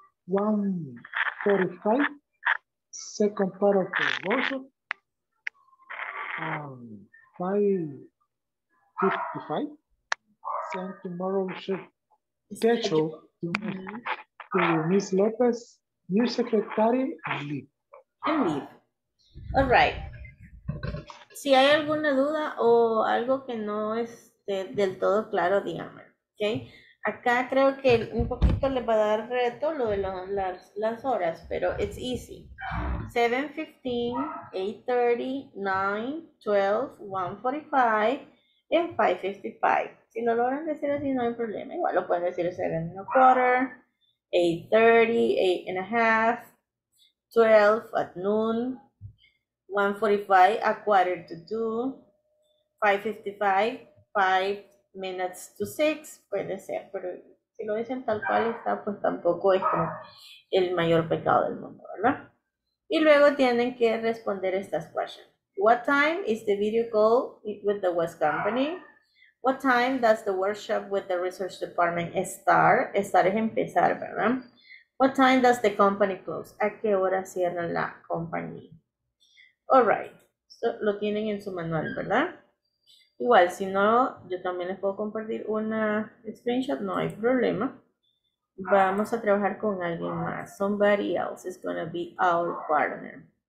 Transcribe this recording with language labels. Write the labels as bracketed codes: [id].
[en] 1:45, second part of the workshop. 5:55, send tomorrow shift. Special to Miss Lopez, new secretary, and leave. And leave. All right. [es] Si hay alguna duda o algo que no esté del todo claro, dígame. Okay. Acá creo que un poquito le va a dar reto lo de las horas, pero [en] it's easy. 7:15, 8:30, 9, 12, 1:45, and 5:55. [es] Si lo logran decir así, no hay problema. Igual lo pueden decir 7:15, 8:30, 8:30, 12 at noon, 1:45, 1:45, 5:55, 5:06, puede ser. Pero si lo dicen tal cual está, pues tampoco es como el mayor pecado del mundo, ¿verdad? Y luego tienen que responder estas questions. [en] What time is the video call with the West Company? What time does the workshop with the research department start? [es] Estar es empezar, ¿verdad? [en] What time does the company close? [es] ¿A qué hora cierra la compañía? [en] All right. [es] So, lo tienen en su manual, ¿verdad? Igual, si no, yo también les puedo compartir una screenshot. No hay problema. Vamos a trabajar con alguien más. [en] Somebody else is going to be our partner.